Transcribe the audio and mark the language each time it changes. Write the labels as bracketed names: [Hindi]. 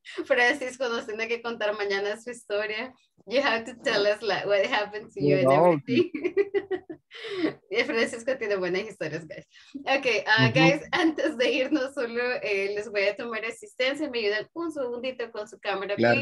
[Spanish] Francisco nos tiene que contar mañana su historia. [English] You have to tell us like, what happened to you and everything. [Spanish] Yeah, Francisco tiene buenas historias, guys. Okay, guys, antes de irnos, solo les voy a tomar asistencia. Me ayudan un segundito con su cámara, claro.